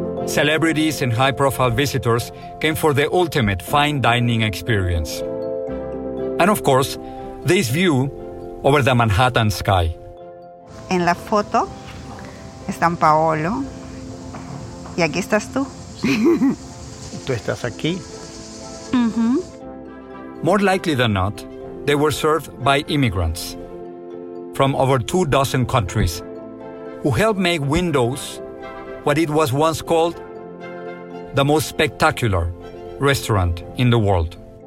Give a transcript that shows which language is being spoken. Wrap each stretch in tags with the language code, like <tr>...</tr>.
<en>Celebrities and high-profile visitors came for the ultimate fine dining experience. And of course, this view over the Manhattan sky.</en> <es>En la foto están Paolo y aquí estás tú. Tú estás aquí.</es> <en>More likely than not, they were served by immigrants from over 24 countries who helped make Windows what it was once called, the most spectacular restaurant in the world.</en>